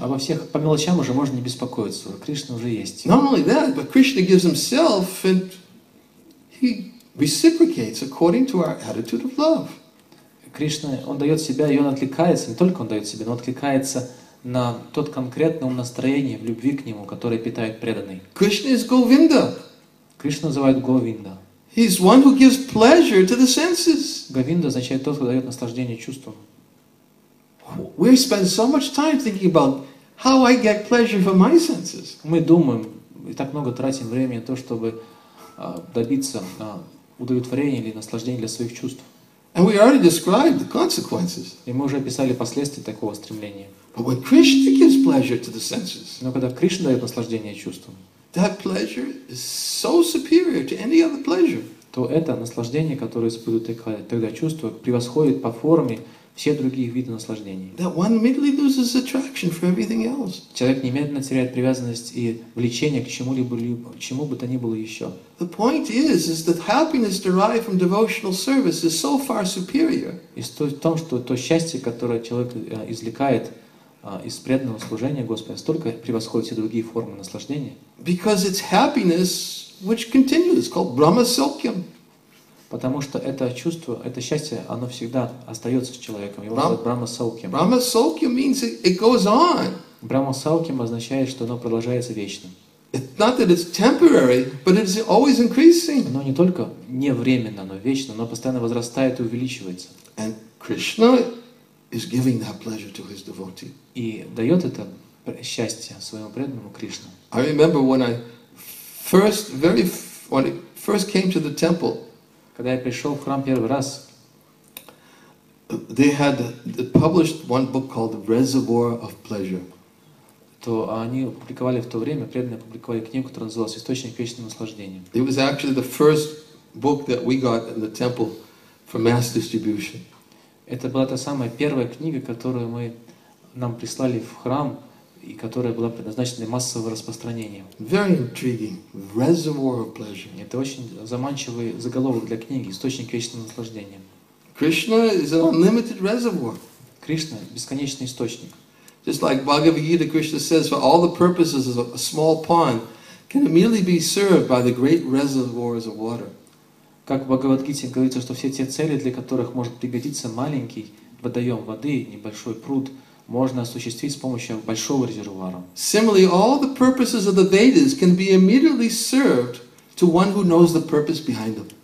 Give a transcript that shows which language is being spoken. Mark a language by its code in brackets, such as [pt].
[ru] Обо всех по мелочам уже можно не беспокоиться. Кришна уже есть. [en] Not only that, but Krishna gives himself, and he reciprocates according to our attitude of love. [ru] Кришна, он дает себя, и он откликается. Не только он дает себя, но откликается на тот конкретное настроение в любви к нему, которое питает преданный. [en] Krishna is Govinda. [ru] Кришна называют Говинда. [en] He is one who gives pleasure to the senses. [ru] Говинда означает тот, кто дает наслаждение чувствам. [en] We spend so much time thinking about how I get pleasure from my senses. [ru] Мы думаем и так много тратим времени на то, чтобы добиться удовлетворения или наслаждения для своих чувств. [en] And we already described the consequences. [ru] И мы уже описали последствия такого стремления. [en] But when Krishna gives pleasure to the senses, [ru] но когда Кришна дает наслаждение чувствам, [en] that pleasure is so superior to any other pleasure. [ru] То это наслаждение, которое испытывает тогда чувство, превосходит по форме все другие виды наслаждений. [en] That one immediately loses attraction for everything else. [ru] Человек немедленно теряет привязанность и влечение к чему-либо, к чему бы то ни было еще. [en] The point is that happiness derived from devotional service is so far superior. [ru] И суть в том, что то счастье, которое человек извлекает из преданного служения Господа, столько превосходит все другие формы наслаждения. [en] Because it's happiness which continues. It's called Brahma Sokyam. [ru] Потому что это чувство, это счастье, оно всегда остается с человеком. Его зовут Брама Саукьям. [en] Брама Саукьям means it goes on. [ru] Брама Саукьям означает, что оно продолжается вечно. [en] It's not that it's temporary, but it's always increasing. [ru] Оно не только не временно, но вечно, оно постоянно возрастает и увеличивается. [en] And Krishna is giving that pleasure to his devotee. [ru] И дает это счастье своему преданному Кришне. [en] I remember when I first, when I first came to the temple. [ru] Когда я пришел в храм первый раз, [en] they had published one book called Reservoir of Pleasure. [ru] То они опубликовали в то время, преданные опубликовали книгу, которая называлась «Источник вечного наслаждения». [en] It was actually the first book that we got in the temple for mass distribution. [ru] Это была та самая первая книга, которую мы нам прислали в храм и которая была предназначена для массового распространения. [en] Very intriguing. Reservoir of pleasure. [ru] Это очень заманчивый заголовок для книги «Источник вечного наслаждения». [en] Krishna is an unlimited reservoir. [ru] Кришна — бесконечный источник. [en] Just like Bhagavad Gita, Krishna says, for all the purposes of a small pond can immediately be served by the great reservoirs of water. [ru] Как в Бхагавадгите говорится, что все те цели, для которых может пригодиться маленький водоем воды, небольшой пруд, можно осуществить с помощью большого резервуара. [en] Similarly, all the purposes of the Vedas can be immediately served to one who knows the purpose behind them.